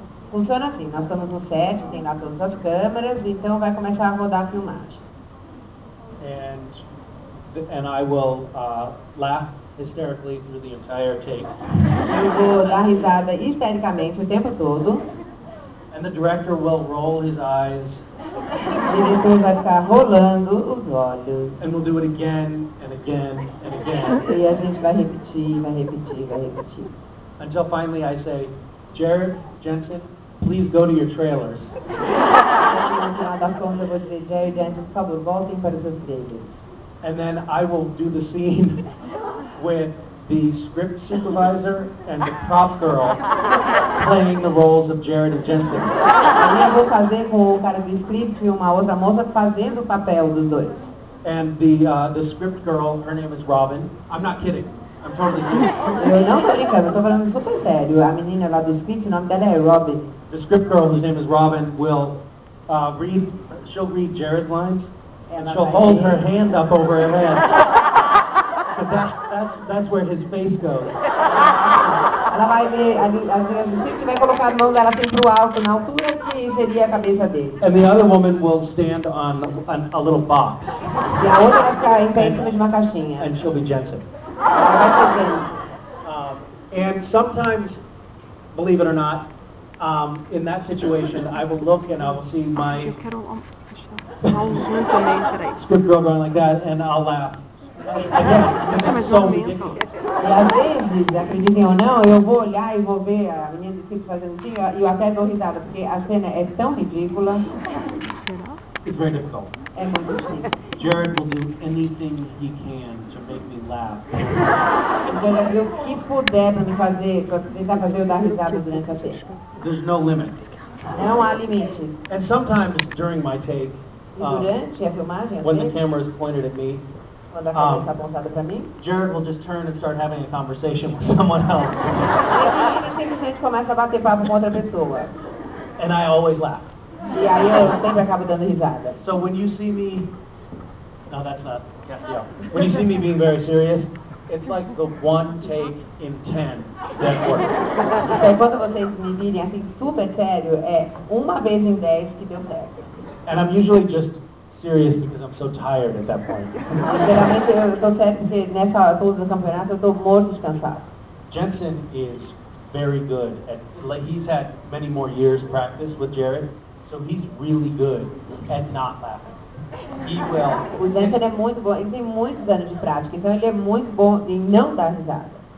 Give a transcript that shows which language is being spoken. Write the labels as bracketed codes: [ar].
[pt] Funciona assim, nós estamos no set, tem lá todas as câmeras, então vai começar a rodar a filmagem. [en] And I will laugh hysterically through the entire take. [pt] Eu vou dar risada histericamente o tempo todo. [en] And the director will roll his eyes. [pt] O diretor vai ficar rolando os olhos. [en] And we'll do it again and again and again. [pt] E a gente vai repetir, vai repetir, vai repetir. [en] Until finally I say, Jared, Jensen, please go to your trailers. [pt] No final das contas eu vou dizer, Jared, Jensen, por favor, voltem para os seus trailers. [en] And then I will do the scene with the script supervisor and the prop girl playing the roles of Jared and Jensen. [pt] Aí eu vou fazer com o cara do script e uma outra moça fazendo o papel dos dois. [en] And the script girl, her name is Robin. I'm not kidding. I'm totally serious. [pt] Eu não tô brincando, eu tô falando super sério. A menina lá do script, o nome dela é Robin. [en] The script girl, whose name is Robin, will read. She'll read Jared lines. And she'll hold her hand up over her head. But that's where his face goes. [pt] Ela vai ler, a gente vai colocar a mão dela assim pro alto, na altura que seria a cabeça dele. [en] And the other woman will stand on a little box. [pt] E a outra vai ficar em pé em cima de uma caixinha. [en] And she'll be Jensen. [pt] Ela vai ser Jensen. [en] And sometimes, believe it or not, in that situation, I will look and I will see my... script girl going like that, and I'll laugh. Again, because it's so ridiculous. [pt] E às vezes, acreditem ou não, eu vou olhar e vou ver a menina do script fazendo assim, e eu até dou risada, porque a cena é tão ridícula. [en] It's very difficult. [pt] É muito difícil. [en] Jared will do anything he can to make me laugh. [pt] Jared vai fazer o que puder para me fazer, para tentar fazer eu dar risada durante a cena. [en] There's no limit. [pt] Não há limite. [en] And sometimes during my take, [pt] durante a filmagem, [en] when the camera is pointed at me, [pt] mim, [en] Jared will just turn and start having a conversation with someone else. [pt] Ele simplesmente começa a bater papo com outra pessoa. [en] And I always laugh. [pt] E aí eu sempre acabo dando risada. [en] So when you see me, no, that's not Cassio. When you see me being very serious, it's like the one take in ten that works. [pt] Então, quando vocês me virem assim super sério, é uma vez em dez que deu certo. [en] And I'm usually just serious because I'm so tired at that point. [pt] Geralmente eu tô sério porque nessa altura do campeonato eu tô morto de cansaço. [en] Jensen is very good at, like, he's had many more years practice with Jared, so he's really good at not laughing. He will. [pt] O Jensen é muito bom, ele tem muitos anos de prática, então ele é muito bom em não dar risada.